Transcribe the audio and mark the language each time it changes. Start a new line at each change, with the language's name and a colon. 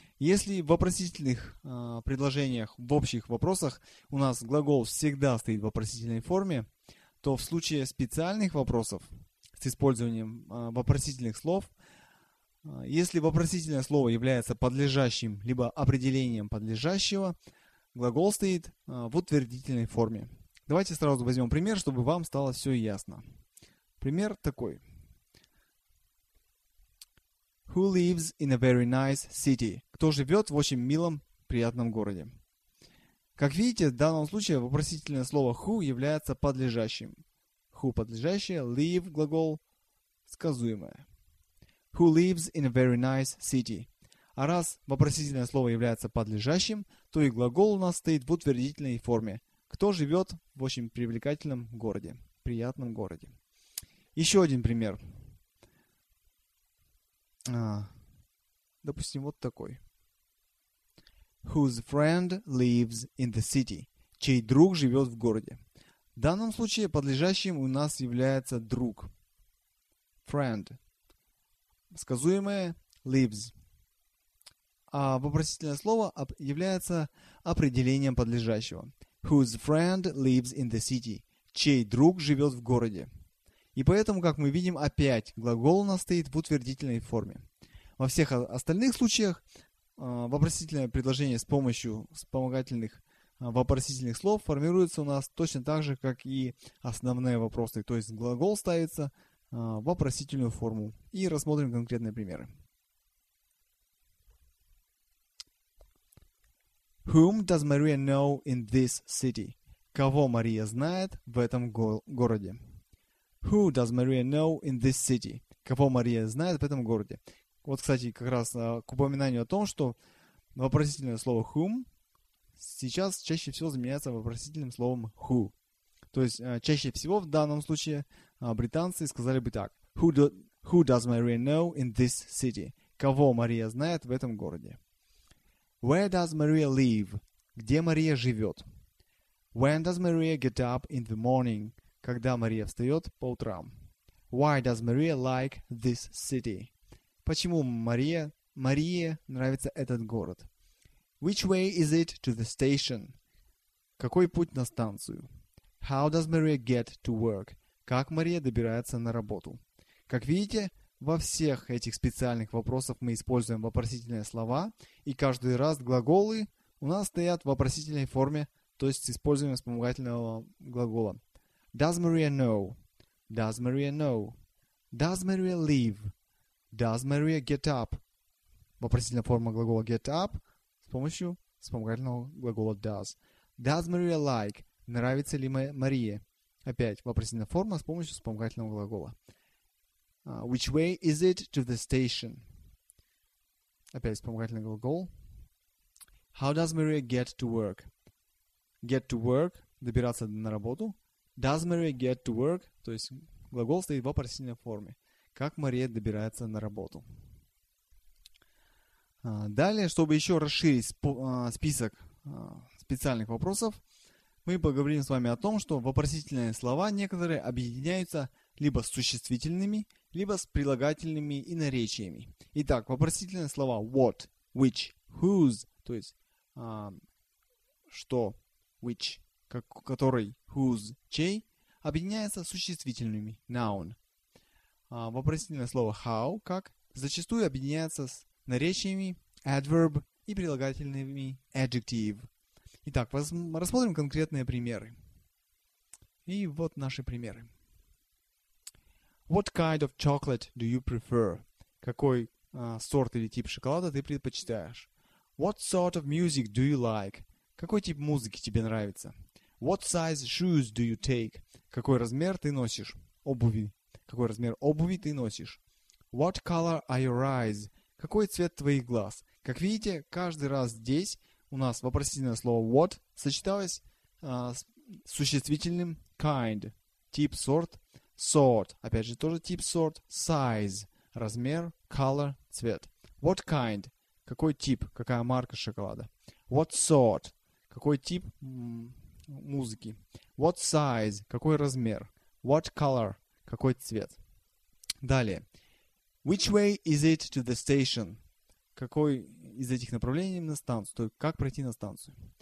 Russian: Если в вопросительных предложениях, в общих вопросах у нас глагол всегда стоит в вопросительной форме, то в случае специальных вопросов с использованием вопросительных слов, если вопросительное слово является подлежащим либо определением подлежащего, глагол стоит в утвердительной форме. Давайте сразу возьмем пример, чтобы вам стало все ясно. Пример такой.
English: Who lives in a very nice city?
Russian: Кто живет в очень милом, приятном городе? Как видите, в данном случае вопросительное слово who является подлежащим. Who подлежащее, live глагол сказуемое.
English: Who lives in a very nice city?
Russian: А раз вопросительное слово является подлежащим, то и глагол у нас стоит в утвердительной форме. Кто живет в очень привлекательном городе, приятном городе? Еще один пример. Допустим, вот такой.
English: Whose friend lives in the city?
Russian: Чей друг живет в городе? В данном случае подлежащим у нас является друг.
English: Friend.
Russian: Сказуемое lives. А вопросительное слово является определением подлежащего.
English: Whose friend lives in the city?
Russian: Чей друг живет в городе? И поэтому, как мы видим, опять глагол у нас стоит в утвердительной форме. Во всех остальных случаях вопросительное предложение с помощью вспомогательных вопросительных слов формируется у нас точно так же, как и основные вопросы. То есть глагол ставится в вопросительную форму. И рассмотрим конкретные примеры.
English: Whom does Maria know in this city?
Russian: Кого Мария знает в этом городе?
English: Who does Maria know in this city?
Russian: Кого Мария знает в этом городе? Вот, кстати, как раз к упоминанию о том, что вопросительное слово whom сейчас чаще всего заменяется вопросительным словом who. То есть чаще всего в данном случае британцы сказали бы так.
English: Who does Maria know in this city?
Russian: Кого Мария знает в этом городе?
English: Where does Maria live?
Russian: Где Мария живет?
English: When does Maria get up in the morning?
Russian: Когда Мария встает по утрам?
English: Why does Maria like this city?
Russian: Почему Марии нравится этот город?
English: Which way is it to the station?
Russian: Какой путь на станцию?
English: How does Maria get to work?
Russian: Как Мария добирается на работу? Как видите, во всех этих специальных вопросах мы используем вопросительные слова, и каждый раз глаголы у нас стоят в вопросительной форме, то есть с использованием вспомогательного глагола.
English: Does Maria know? Does Maria know? Does Maria live? Does Maria get up?
Russian: Вопросительная форма глагола get up с помощью вспомогательного глагола does.
English: Does Maria like?
Russian: Нравится ли Мария? Опять вопросительная форма с помощью вспомогательного глагола.
English: Which way is it to the station?
Russian: Опять вспомогательный глагол.
English: How does Maria get to work? Get to work.
Russian: Добираться на работу.
English: Does Maria get to work?
Russian: То есть глагол стоит в вопросительной форме. Как Мария добирается на работу. Далее, чтобы еще расширить список специальных вопросов, мы поговорим с вами о том, что вопросительные слова некоторые объединяются либо с существительными, либо с прилагательными и наречиями. Итак, вопросительные слова what, which, whose, то есть что, which, как, который, whose, чей, объединяются с существительными, noun. Вопросительное слово how, как, зачастую объединяется с наречиями, adverb, и прилагательными, adjective. Итак, рассмотрим конкретные примеры. И вот наши примеры.
English: What kind of chocolate do you prefer?
Russian: Какой сорт или тип шоколада ты предпочитаешь?
English: What sort of music do you like?
Russian: Какой тип музыки тебе нравится?
English: What size shoes do you take?
Russian: Какой размер ты носишь? Обуви. Какой размер обуви ты носишь?
English: What color are your eyes?
Russian: Какой цвет твоих глаз? Как видите, каждый раз здесь у нас вопросительное слово what сочеталось с существительным kind, тип, сорт. Sort, опять же, тоже тип sort. Size, размер, color, цвет.
English: What kind,
Russian: какой тип, какая марка шоколада.
English: What sort,
Russian: какой тип музыки.
English: What size,
Russian: какой размер.
English: What color,
Russian: какой цвет. Далее.
English: Which way is it to the station?
Russian: Какой из этих направлений на станцию? То есть, как пройти на станцию?